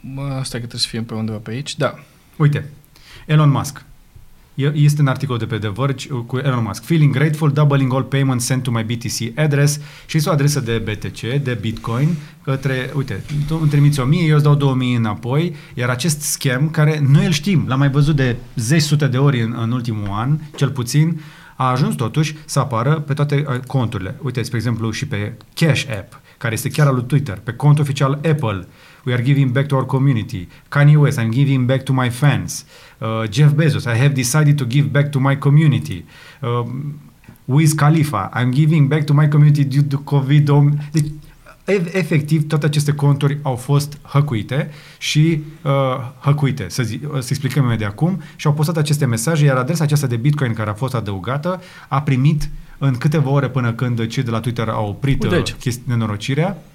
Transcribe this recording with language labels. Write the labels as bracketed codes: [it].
[ro] Asta că trebuie să fie pe undeva pe aici, da. Uite, Elon Musk. Este un articol de pe The Verge cu Elon Musk. [en] Feeling grateful, doubling all payments sent to my BTC address. [ro] Și este o adresă de BTC, de Bitcoin, către, uite, tu îmi trimiți 1000, eu îți dau 2000 înapoi, iar acest scam, care noi îl știm, l-am mai văzut de zeci sute de ori în ultimul an, cel puțin, a ajuns totuși să apară pe toate conturile. Uite, spre exemplu, și pe Cash App, care este chiar al lui Twitter, pe cont oficial Apple, [en] we are giving back to our community. Kanye West, I'm giving back to my fans. Jeff Bezos, I have decided to give back to my community. Wiz Khalifa, I'm giving back to my community due to COVID. [ro] Deci, efectiv, toate aceste conturi au fost hăcuite și hăcuite, să explicăm mai de acum, și au postat aceste mesaje, iar adresa aceasta de Bitcoin care a fost adăugată a primit în câteva ore până când cei de la Twitter au oprit nenorocirea.